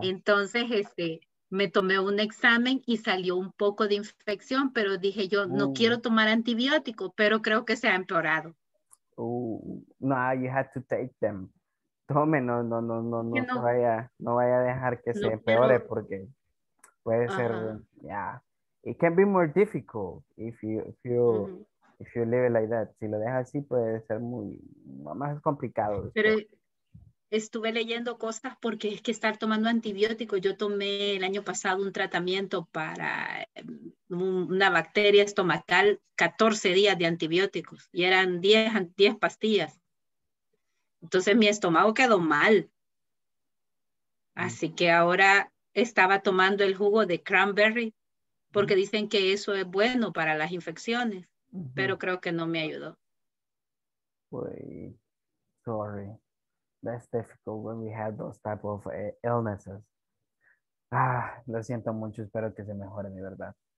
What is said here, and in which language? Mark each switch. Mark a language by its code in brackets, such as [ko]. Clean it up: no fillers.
[es] Entonces, me tomé un examen y salió un poco de infección, pero dije yo, no quiero tomar antibiótico, pero creo que se ha empeorado. [en] No, you had to take them. [es] Tome, no vaya a dejar que se empeore porque... Puede ser, ya. [en] it can be more difficult if you mm-hmm. if you leave it like that. [es] Si lo dejas así puede ser muy más complicado. Pero estuve leyendo cosas porque es que estar tomando antibióticos. Yo tomé el año pasado un tratamiento para una bacteria estomacal, 14 días de antibióticos y eran 10 pastillas. Entonces mi estómago quedó mal. Así que ahora estaba tomando el jugo de cranberry porque dicen que eso es bueno para las infecciones, uh-huh. pero creo que no me ayudó. [en] Wait, sorry. That's difficult when we have those type of illnesses. [es] Ah, lo siento mucho, espero que se mejore, de verdad.